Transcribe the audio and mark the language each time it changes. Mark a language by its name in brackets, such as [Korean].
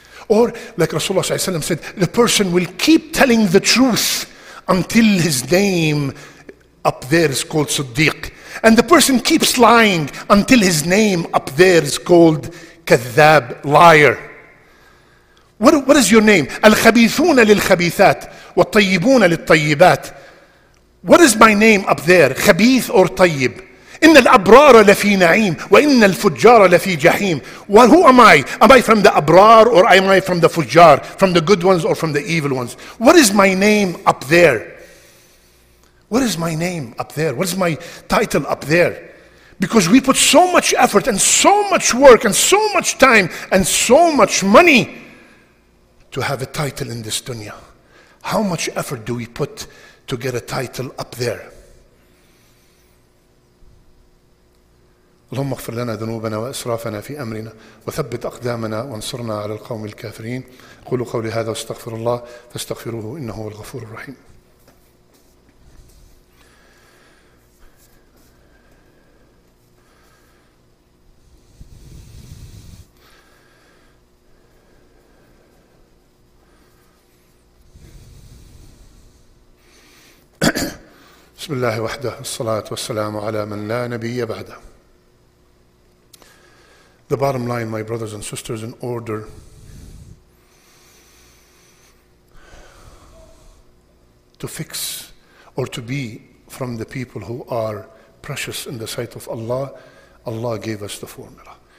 [English] Or like Rasulullah sallallahu alayhi wa sallam said, the person will keep telling the truth until his name up there is called Siddiq. And the person keeps lying until his name up there is called Kadhab, liar. What is your name? [Arabic] الخبيثون للخبيثات والطيبون للطيبات. [English] What is my name up there? خبيث or طيب? [Arabic] إن الأبرار لفي نعيم وإن الفجار لفي جحيم. [English] Well, who am I? Am I from the أبرار or am I from the فجار? From the good ones or from the evil ones? What is my name up there? What is my name up there? What is my title up there? Because we put so much effort and so much work and so much time and so much money to have a title in this dunya. How much effort do we put to get a title up there? [Arabic] اللهم اغفر لنا ذنوبنا وإسرافنا في أمرنا وثبت أقدامنا وانصرنا على القوم الكافرين. قولوا قولي هذا واستغفر الله فاستغفروه إنه هو الغفور الرحيم. بسم الله وحده الصلاة والسلام على من لا نبي بعده. [English] The bottom line, my brothers and sisters, in order to fix or to be from the people who are precious in the sight of Allah, Allah gave us the formula.